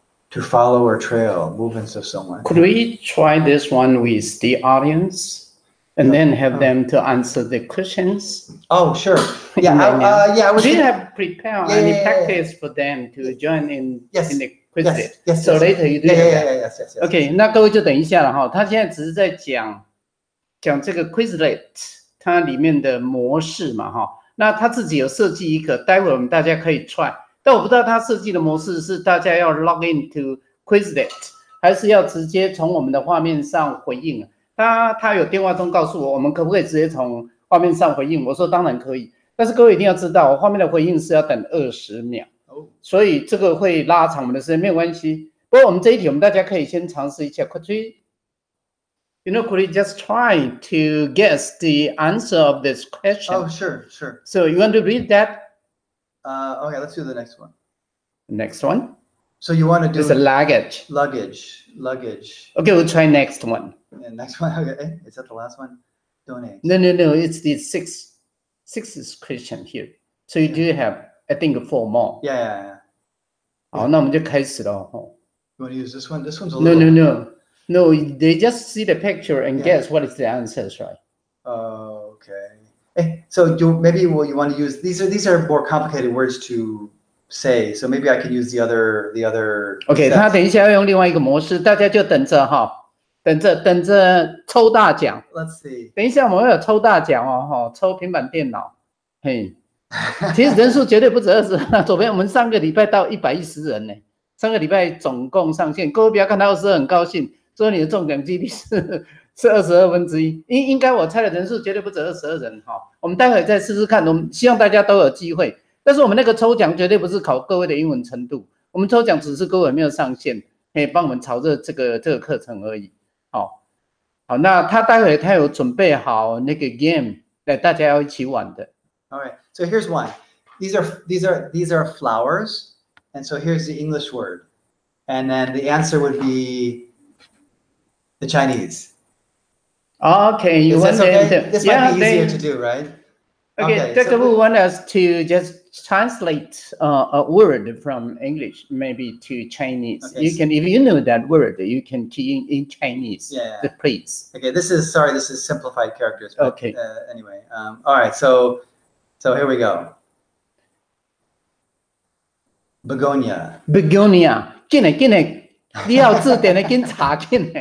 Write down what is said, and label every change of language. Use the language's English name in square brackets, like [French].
[English] To follow or trail movements of someone. Could we try this one with the audience and then have them to answer the questions? Oh, sure. Yeah, I have prepared practice for them to join in, yes. In the quiz. Yes, yes, so yes. Later you do. Yeah, yeah, yeah, yeah, yes, yes, yes. Okay, yes. [Chinese] 那各位就等一下了哈，他现在只是在讲。讲这个 Quizlet 它里面的模式嘛，哈，那它自己有设计一个，待会我们大家可以 try。但我不知道它设计的模式是大家要 log into Quizlet， 还是要直接从我们的画面上回应？他有电话中告诉我，我们可不可以直接从画面上回应？我说当然可以，但是各位一定要知道，我画面的回应是要等20秒，所以这个会拉长我们的时间，没有关系。不过我们这一题，我们大家可以先尝试一下 Quizlet。 [English] You know, could you just try to guess the answer of this question? Oh, sure, sure. So you want to read that? Okay, let's do the next one. Next one? So you want to do... It's a luggage. Luggage. Okay, we'll try next one. Yeah, next one, okay. Is that the last one? Donate. No, it's the sixth question here. So you do have, I think, four more. Yeah. [Chinese] 好，那我们就开始了。 [English] You want to use this one? This one's a little... No, no, no. No, they just see the picture and guess what is the answer, right? Okay. Hey, so you want to use... These are more complicated words to say. So maybe I can use the other... [Chinese] Okay, 他等一下要用另外一个模式，大家就等着哈。等着抽大奖。 Let's see. 等一下我们会有抽大奖哦，抽平板电脑。嘿，其实人数绝对不止20。左边我们上个礼拜到110人呢，上个礼拜总共上线，各位不要看到20很高兴，所以你的中奖几率是22分之1。应该我猜的人数绝对不止22人哈。我们待会再试试看，我们希望大家都有机会。但是我们那个抽奖绝对不是考各位的英文程度，我们抽奖只是各位有没有上线，可以帮我们朝着这个课程而已。好，那他待会他有准备好那个 game 来大家要一起玩的。 [English] All right, so here's one. These are flowers, and so here's the English word, and then the answer would be the Chinese. Okay, you want to? This might be easier to do, right? Okay, Dr. Wu want us to just translate a word from English, maybe to Chinese. Okay, if you know that word, you can key in Chinese, yeah. Please. Okay, this is simplified characters. But, okay. Anyway, all right, so here we go. Begonia. Begonia. [Chinese] 快点，你要字典的，紧查，紧的。